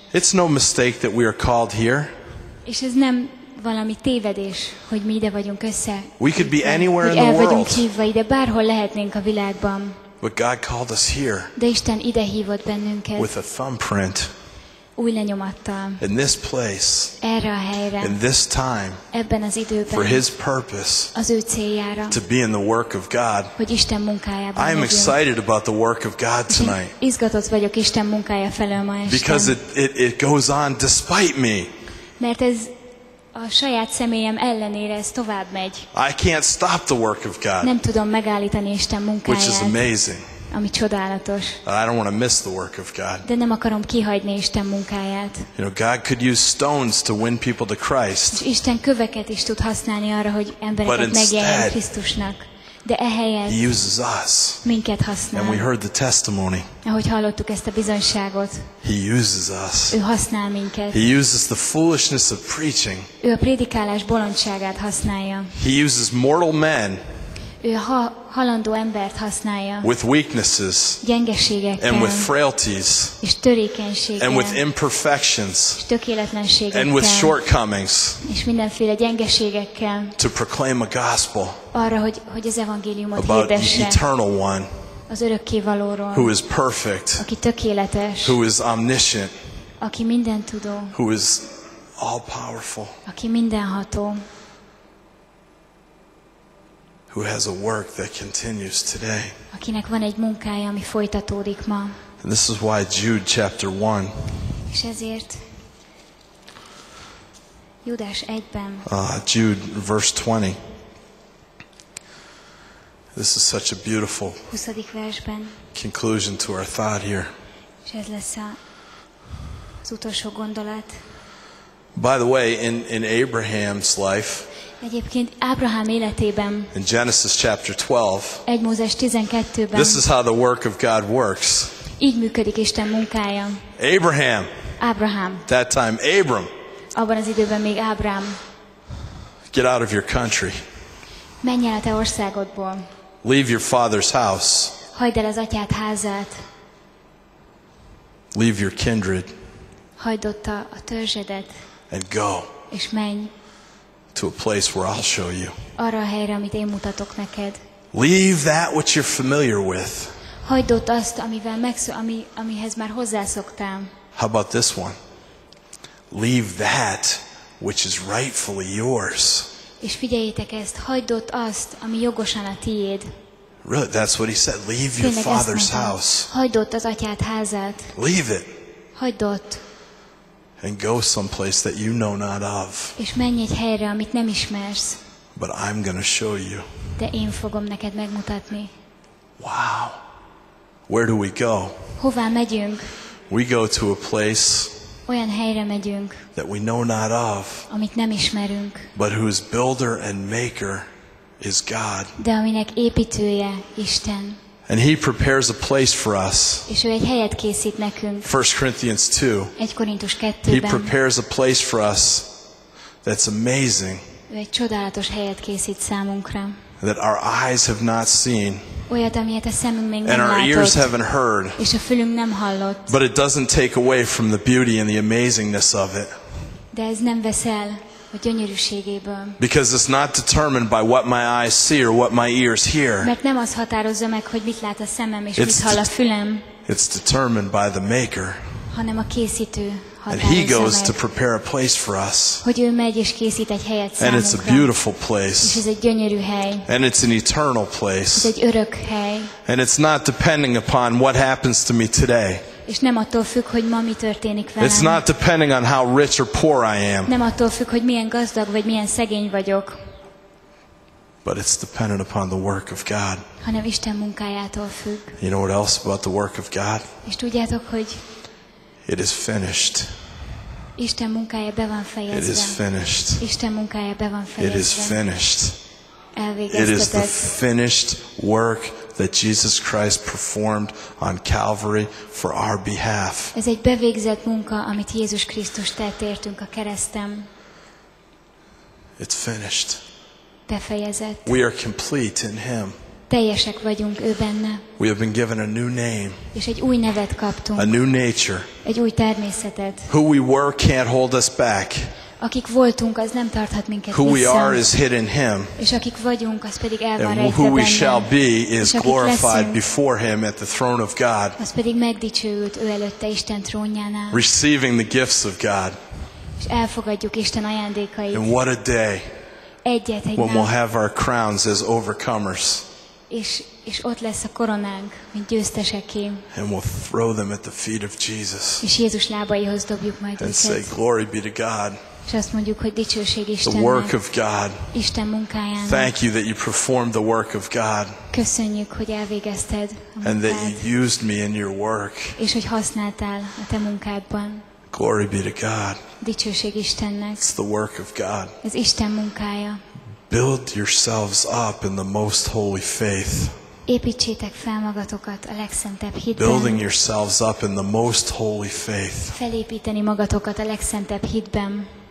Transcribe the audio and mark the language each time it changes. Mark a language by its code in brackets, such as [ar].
[en] It's no mistake that we are called here. [hu] És ez nem valami tévedés, hogy mi ide vagyunk össze. [en] We could be anywhere in the world. [hu] El vagyunk hívva ide, bárhol lehetnénk a világban. [en] But God called us here. [hu] De Isten ide hívott bennünket. [en] With a thumbprint. [hu] Új lenyomattal. [en] In this place. [hu] Erre a helyre. [en] In this time. [hu] Ebben az időben. [en] For His purpose. [hu] Az ő céljára. [en] To be in the work of God. [hu] Hogy Isten munkájában legyen. [en] I am excited about the work of God tonight. [hu] Izgatott vagyok Isten munkája felől ma este. [en] Because it goes on despite me. [hu] Mert ez a saját személyem ellenére ez tovább megy. [en] I can't stop the work of God. [hu] Nem tudom megállítani Isten munkáját. [en] Which is amazing. [hu] Ami csodálatos. [en] I don't want to miss the work of God. [hu] De nem akarom kihagyni Isten munkáját. [en] You know, God could use stones to win people to Christ. [hu] Isten köveket is tud használni arra, hogy embereket megjelen Krisztusnak. De ehelyett [en] He uses us. [hu] Minket használ. [en] And we heard the testimony. [hu] Ahogy hallottuk ezt a bizonyságot. [en] He uses us. [hu] Ő használ minket. [en] He uses the foolishness of preaching. [hu] Ő a prédikálás bolondságát használja. [en] He uses mortal men. [hu] Ő halandó embert használja. [en] With weaknesses. [hu] Gyengeségekkel. [en] And with frailties. [hu] És törékenységgel. [en] And with imperfections. [hu] És tökéletlenségekkel. [en] And with shortcomings. [hu] És mindenféle gyengeségekkel. [en] To proclaim a gospel. [hu] Arra, hogy az evangéliumot [en] about [hu] hirdesse. [en] About the eternal one. [hu] Az örökkévalóról. [en] Who is perfect. [hu] Aki tökéletes. [en] Who is omniscient. [hu] Aki mindentudó. [en] Who is all powerful. [hu] Aki mindenható. [en] Who has a work that continues today. [hu] Akinek van egy munkája, ami folytatódik ma. [en] And this is why Jude chapter 1. [hu] És ezért Judás 1-ben. [en] Jude verse 20. This is such a beautiful [hu] 20. versben. [en] Conclusion to our thought here. [hu] És ez lesz az utolsó gondolat. [en] By the way, in Abraham's life, [hu] egyébként Ábrahám életében. [en] In Genesis chapter 12. [hu] 1 Mózes 12-ben. [en] This is how the work of God works. [hu] Így működik Isten munkája. [en] Abraham. [hu] Ábrahám. [en] That time Abram. [hu] Abban az időben még Ábrám. [en] Get out of your country. [hu] Menj el a te országodból. [en] Leave your father's house. [hu] Hagyd el az atyád házát. [en] Leave your kindred. [hu] Hagyd ott a törzsedet. [en] And go. [hu] És menj. [en] To a place where I'll show you. [hu] Arra a helyre, amit én mutatok neked. [en] Leave that which you're familiar with. [hu] Hagyd ott azt, amihez már hozzászoktam. [en] How about this one? Leave that which is rightfully yours. [hu] És figyeljétek ezt, hagyd ott azt, ami jogosan a tiéd. [en] Really, that's what he said. Leave your father's house. [hu] Hagyd ott az atyád házát. [en] Leave it. [hu] Hagyd ott. [en] And go someplace that you know not of. [hu] És menj egy helyre, amit nem ismersz. [en] But I'm going to show you. [hu] De én fogom neked megmutatni. [en] Wow. Where do we go? [hu] Hová megyünk? [en] We go to a place. [hu] Olyan helyre megyünk. [en] That we know not of. [hu] Amit nem ismerünk. [en] But whose builder and maker is God. [hu] De aminek építője Isten. [en] And he prepares a place for us. [hu] És ő egy helyet készít nekünk. [en] 1 Corinthians 2. [hu] 1 Korintus 2-ben. [en] He prepares a place for us. That's amazing. [hu] Ő egy csodálatos helyet készít számunkra. [en] That our eyes have not seen. [hu] Olyat, amilyet a szemünk még nem látott. [en] And our ears haven't heard. [hu] És a fülünk nem hallott. [en] But it doesn't take away from the beauty and the amazingness of it. [hu] De ez nem vesz el a gyönyörűségéből. [en] Because it's not determined by what my eyes see or what my ears hear. [hu] Mert nem az határozza meg, hogy mit lát a szemem és mit hall a fülem. [en] It's determined by the maker. [hu] Hanem a készítő, [en] And he goes to prepare a place for us. And it's a beautiful place. And it's an eternal place. And it's not depending upon what happens to me today. [hu] És nem attól függ, hogy ma mi történik velem. [en] It's not depending on how rich or poor I am. [hu] Nem attól függ, hogy milyen gazdag vagy milyen szegény vagyok. [en] But it's dependent upon the work of God. [hu] Hanem Isten munkájától függ. [en] You know what else about the work of God? [hu] És tudjátok, hogy [en] it is finished. [hu] Isten munkája be van fejezve. [en] It is finished. [hu] Isten munkája be van fejezve. [en] It is finished. [hu] Elvégeztetek. [en] It is the finished work that Jesus Christ performed on Calvary for our behalf. [hu] Ez egy bevégzett munka, amit Jézus Krisztus tett értünk a kereszten. [en] It's finished. [hu] Befejezett. [en] We are complete in him. [hu] Teljesek vagyunk ő benne. [en] We have been given a new name. [hu] És egy új nevet kaptunk. [en] A new nature. [hu] Egy új természetet. [en] Who we were can't hold us back. [hu] Akik voltunk, az nem tarthat minket [en] who we are is hidden him. [hu] És akik vagyunk, az pedig el van rejtve benne. [en] Who we shall be is glorified before him at the throne of God. [hu] Az pedig megdicsőült ő előtte Isten trónjánál. [en] Receiving the gifts of God. [hu] És elfogadjuk Isten ajándékait. [en] And what a day. [hu] Egyet, egy [en] when nap. We'll have our crowns as overcomers. [hu] És ott lesz a koronánk, mint győzteseké. [en] And we'll throw them at the feet of Jesus. [hu] És Jézus lábaihoz dobjuk majd őket. [en] And say glory be to God. [hu] És azt mondjuk, hogy dicsőség Istennek. [en] The work of God. [hu] Isten munkájának. [en] Thank you that you performed the work of God. [hu] Köszönjük, hogy elvégezted a munkád. [en] And that you used me in your work. [hu] És hogy használtál a te munkádban. [en] Glory be to God. [hu] Dicsőség Istennek. [en] It's the work of God. [hu] Ez Isten munkája. [en] Build yourselves up in the most holy faith. [hu] Építsétek fel magatokat a legszentebb hitben. [en] Building yourselves up in the most holy faith. [hu] Felépíteni magatokat a legszentebb hitben.